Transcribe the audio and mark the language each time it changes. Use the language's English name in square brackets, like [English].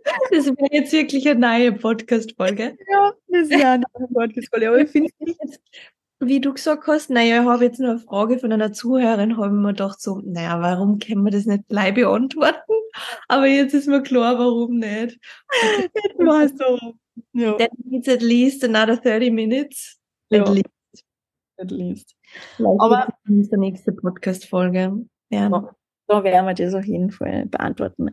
[German] Das wäre jetzt wirklich eine neue Podcast-Folge. Ja, das ist ja eine neue Podcast-Folge. Aber ich finde es nicht. Wie du gesagt hast, naja, ich habe jetzt noch eine Frage von einer Zuhörerin, habe ich mir gedacht so, naja, warum können wir das nicht gleich beantworten? Aber jetzt ist mir klar, warum nicht. Jetzt war es so. Ja. [English] That needs at least another 30 minutes. Ja. At least. [German] Vielleicht aber ist der nächste Podcast-Folge. Ja. Da werden wir das auf jeden Fall beantworten.